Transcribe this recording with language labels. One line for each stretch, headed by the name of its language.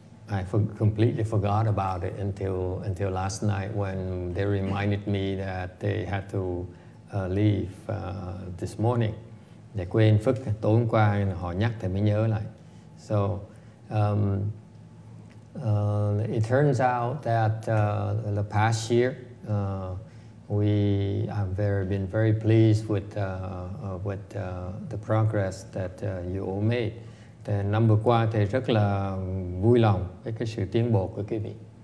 English: I completely forgot about it until last night when they reminded me that they had to leave this morning.
Vietnamese: Để quên phức tối hôm qua họ nhắc thì mới nhớ lại.
English: So it turns out that the past year I've been very pleased with the progress that you all made.
Vietnamese: Thì năm vừa qua thì rất là vui lòng với cái sự tiến bộ của quý vị.